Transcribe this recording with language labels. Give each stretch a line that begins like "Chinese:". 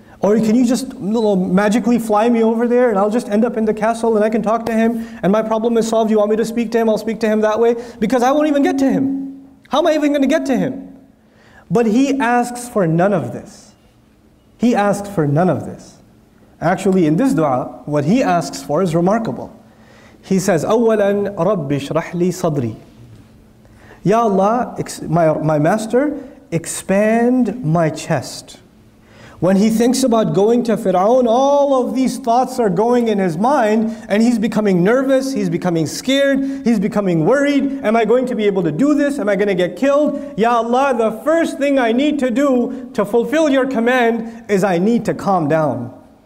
English: Or can you just magically fly me over there and I'll just end up in the castle and I can talk to him and my problem is solved. You want me to speak to him? I'll speak to him that way. Because I won't even get to him. How am I even going to get to him? But he asks for none of this. He asks for none of this. Actually, in this dua, what he asks for is remarkable. He says,
Arabic: أَوَّلًا رَبِّ اشْرَحْ لِي صَدْرِي.
English: Ya Allah, my master, expand my chest. When he thinks about going to Fir'aun, all of these thoughts are going in his mind, and he's becoming nervous, he's becoming scared, he's becoming worried. Am I going to be able to do this? Am I going to get killed? Ya Allah, the first thing I need to do to fulfill your command is I need to calm down.